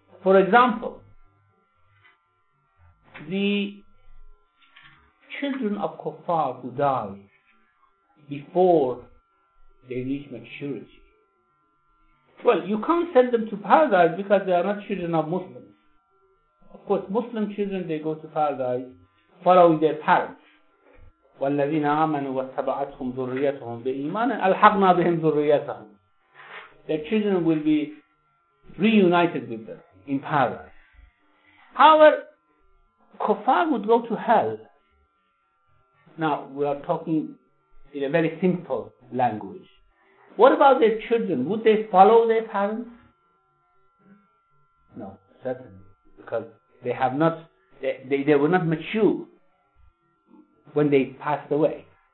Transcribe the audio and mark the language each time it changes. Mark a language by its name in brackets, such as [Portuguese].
[English] For example, the children of Kuffar who die before they reach maturity. Well, you can't send them to paradise because they are not children of Muslims. Of course, Muslim children, they go to paradise following their parents. [Arabic] وَالَّذِينَ آمَنُوا وَاتَّبَعَتْهُمْ ذُرِّيَّتُهُمْ بِإِيمَانٍ أَلْحَقْنَا بِهِمْ ذُرِّيَّتَهُمْ. [English] Their children will be reunited with them. in paradise. However, kuffar would go to hell. Now, we are talking in a very simple language. What about their children? Would they follow their parents? No, certainly. Because they have not, they were not mature when they passed away.